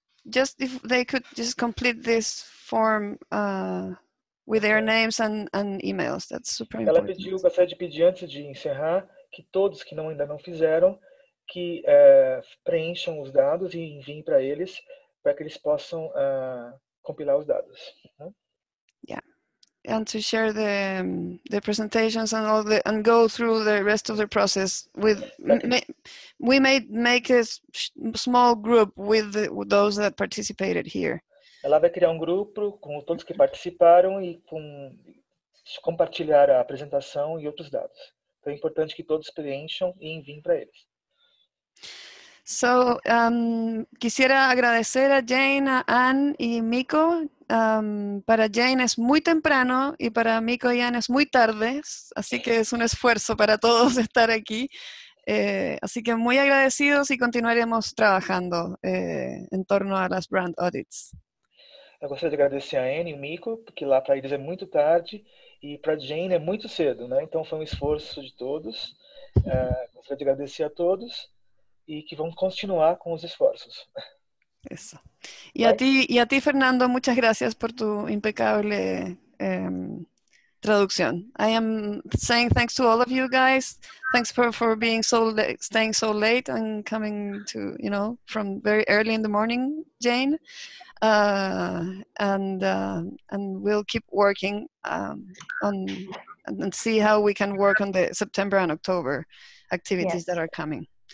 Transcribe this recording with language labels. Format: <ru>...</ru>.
<en>Just if they could just complete this form with their names and emails. That's super important.</en> <pt>Ela pediu, gostaria de pedir antes de encerrar, que todos que ainda não fizeram, que preencham os dados e enviem para eles, para que eles possam compilar os dados. Uh-huh. Yeah.</pt> <en>And to share the presentations and all the and go through the rest of the process with we may make a small group with those that participated here.</en> <pt>Ela vai criar um grupo com todos que participaram e com compartilhar a apresentação e outros dados. Então é importante que todos preencham e enviem para eles.</pt> <es>So, quisiera agradecer a Jane, a Ann y Miko. Para Jane es muy temprano y para Miko y Ann es muy tarde, así que es un esfuerzo para todos estar aquí. Así que muy agradecidos y continuaremos trabajando en torno a las brand audits.</es> <pt>Eu gostaria de agradecer a Ann y a Miko, porque lá para eles</pt> <es>es muy tarde</es> <pt>y para Jane es muy cedo, ¿no?</pt> <es>Entonces fue un esfuerzo de todos.</es> <pt>Gostaria de agradecer a todos.</pt> <es>Y que vamos a continuar con los esfuerzos. Eso. Y a ti, Fernando, muchas gracias por tu impecable traducción.</es> <en>I am saying thanks to all of you guys. Thanks for being so staying so late and coming to, you know, from very early in the morning, Jane. And we'll keep working and see how we can work on the September and October activities that are coming.</en>